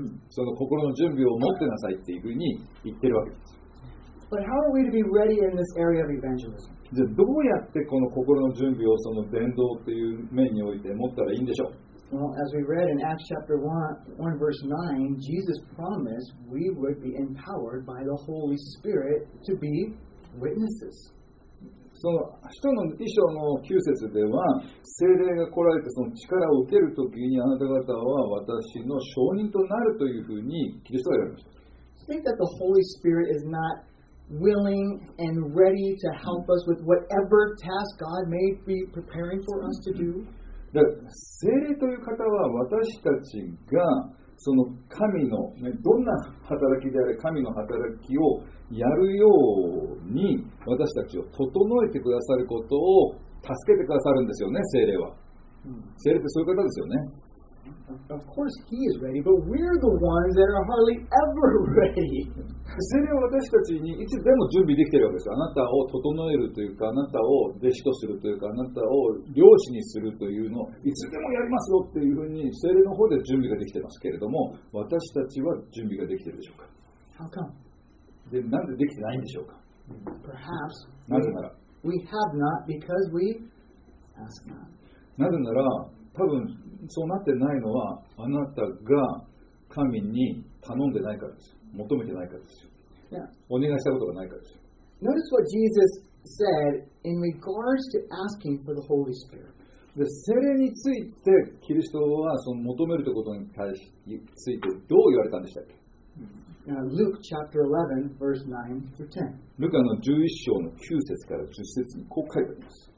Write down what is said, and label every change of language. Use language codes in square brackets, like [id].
[ja] その心の準備を持ってなさいっていうふうに言ってるわけです。 [en] But how are we to be ready in this area of evangelism? [ja] じゃあどうやってこの心の準備をその伝道っていう面において持ったらいいんでしょう? [en] Well, as we read in Acts chapter 1 verse 9, Jesus promised we would be empowered by the Holy Spirit to be witnesses. [ja] その使徒の一章の9節では聖霊が来られてその力を受けるときにあなた方は私の証人となるというふうにキリストは言われました。 [en] Think that the Holy Spirit is not willing and ready to help us with whatever task God may be preparing for us to do? [ja] 聖霊という方は私たちがその神の、ね、どんな働きであれ神の働きをやるように私たちを整えてくださることを助けてくださるんですよね聖霊は聖霊ってそういう方ですよね [en] Of course he is ready but we're the ones that are hardly ever ready [ja] 聖霊は私たちにいつでも準備できているわけですあなたを整えるというかあなたを弟子とするというかあなたを漁師にするというのをいつでもやりますよっていうふうに聖霊の方で準備ができてますけれども私たちは準備ができているでしょうか [en] How come? [ja] でなんでできてないんでしょうか [en] Perhaps [ja] なぜなら [en] we have not because we ask not. [ja] なぜなら多分そうなってないのはあなたが神に頼んでないからです求めてないからです、 [en] yeah. [ja] お願いしたことがないからです [en] Notice what Jesus said in regards to asking for the Holy Spirit [ja] で聖霊についてキリストはその求めるということについてどう言われたんでしたっけ [en] Luke chapter 11, verse 9 through 10. [ja] Luke の11章の9節から10節にこう書いてあります。